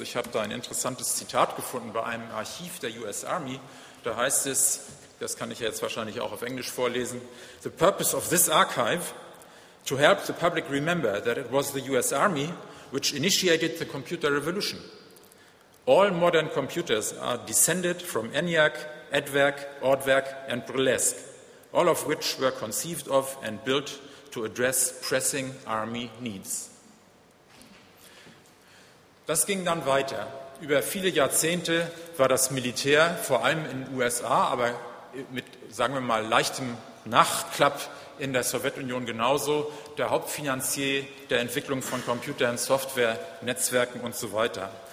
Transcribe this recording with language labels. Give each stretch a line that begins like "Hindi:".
German: Ich habe da ein interessantes Zitat gefunden bei einem Archiv der US Army. Da heißt es, das kann ich ja jetzt wahrscheinlich auch auf Englisch vorlesen,
English: "The purpose of this archive, to help the public remember that it was the US Army which initiated the computer revolution. All modern computers are descended from ENIAC, EDVAC, ORDVAC and Burlesque, all of which were conceived of and built to address pressing army needs."
German: Das ging dann weiter. Über viele Jahrzehnte war das Militär, vor allem in den USA, aber mit, sagen wir mal, leichtem Nachklapp in der Sowjetunion genauso, der Hauptfinanzier der Entwicklung von Computern, Software, Netzwerken und so weiter.